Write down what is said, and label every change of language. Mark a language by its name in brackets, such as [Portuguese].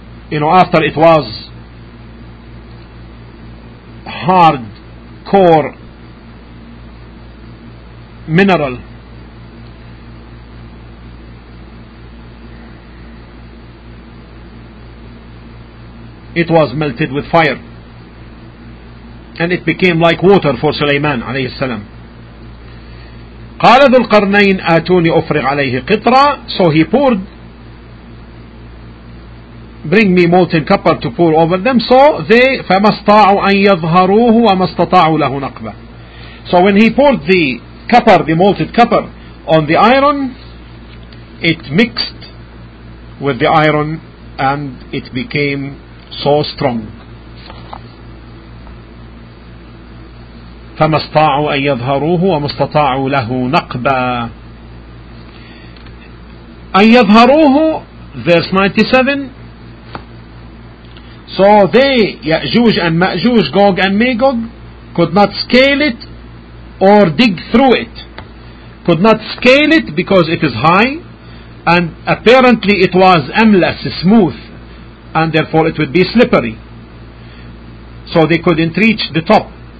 [English] You know, after it was hard core mineral, it was melted with fire and it became like water for Sulaiman alayhi salam. [Arabic] قال ذو القرنين آتوني أفرغ عليه قطرة. [English] So he poured, bring me molten copper to pour over them. So they, [Arabic] فما استطاعوا أن يظهروه وما استطاعوا له نقبة. [English] So when he poured the copper, the molten copper on the iron, it mixed with the iron and it became so strong. [Arabic] فما استطاعوا أن يظهروه وما استطاعوا له نقبا. أن يظهروه, [English] verse 97, so they, يأجوج and مأجوج, Gog and Magog, could not scale it or dig through it. Could not scale it because it is high, and apparently it was amless, smooth, and therefore it would be slippery, so they couldn't reach the top.